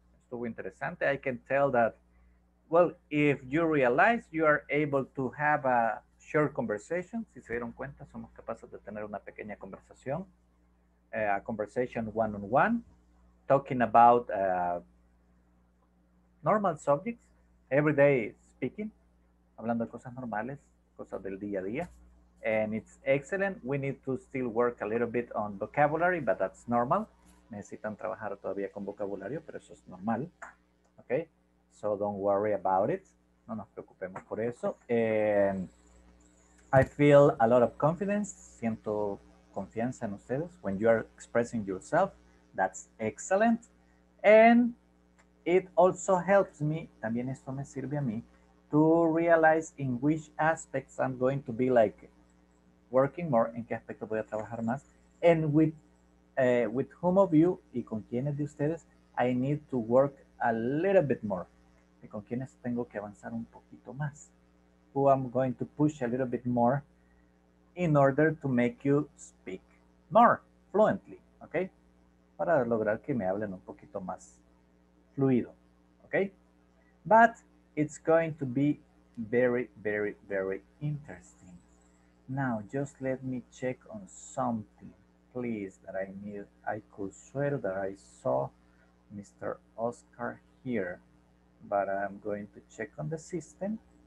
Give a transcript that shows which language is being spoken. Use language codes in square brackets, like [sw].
[es] Estuvo interesante. [en] I can tell that, well, if you realize you are able to have a short conversation, [es] si se dieron cuenta, somos capaces de tener una pequeña conversación, [en] a conversation one-on-one, talking about normal subjects, everyday speaking, [es] hablando de cosas normales, cosas del día a día. [en] And it's excellent. We need to still work a little bit on vocabulary, but that's normal. [es] Necesitan trabajar todavía con vocabulario, pero eso es normal. [en] Okay? So don't worry about it. [es] No nos preocupemos por eso. [en] And I feel a lot of confidence. [es] Siento confianza en ustedes [en] when you are expressing yourself. That's excellent. And it also helps me, [es] también esto me sirve a mí, [en] to realize in which aspects I'm going to be like working more, [es] en qué aspecto voy a trabajar más, [en] and with whom of you, [es] y con quiénes de ustedes, [en] I need to work a little bit more. [es] Y con quiénes tengo que avanzar un poquito más. [en] Who I'm going to push a little bit more in order to make you speak more fluently, okay? [es] Para lograr que me hablen un poquito más fluido, okay? [en] But it's going to be very, very, very interesting. Now, just let me check on something, please, that I need. I could swear that I saw Mr. Oscar here, but I'm going to check on the system.